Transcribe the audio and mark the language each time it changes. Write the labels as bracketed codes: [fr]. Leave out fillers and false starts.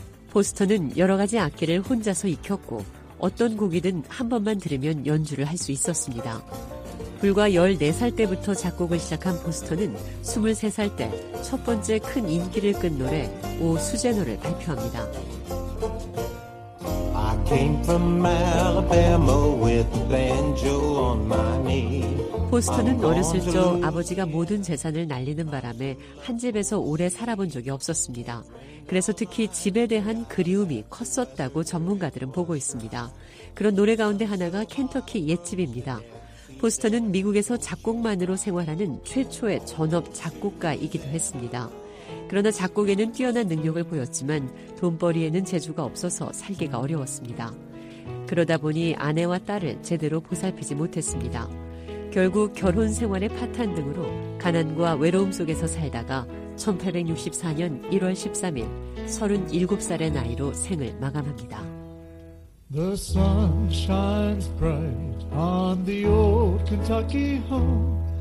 [ko] 포스터는 여러 가지 악기를 혼자서 익혔고 어떤 곡이든 한 번만 들으면 연주를 할 수 있었습니다. 불과 14살 때부터 작곡을 시작한 포스터는 23살 때 첫 번째 큰 인기를 끈 노래 오 수제노를 발표합니다. [en] I came from Alabama with banjo on my knee. [ko] 포스터는 어렸을 적 아버지가 모든 재산을 날리는 바람에 한 집에서 오래 살아본 적이 없었습니다. 그래서 특히 집에 대한 그리움이 컸었다고 전문가들은 보고 있습니다. 그런 노래 가운데 하나가 켄터키 옛집입니다. 포스터는 미국에서 작곡만으로 생활하는 최초의 전업 작곡가이기도 했습니다. 그러나 작곡에는 뛰어난 능력을 보였지만 돈벌이에는 재주가 없어서 살기가 어려웠습니다. 그러다 보니 아내와 딸을 제대로 보살피지 못했습니다. 결국 결혼 생활의 파탄 등으로 가난과 외로움 속에서 살다가 1864년 1월 13일 37살의 나이로 생을 마감합니다. [en] The sun shines bright on the old Kentucky home.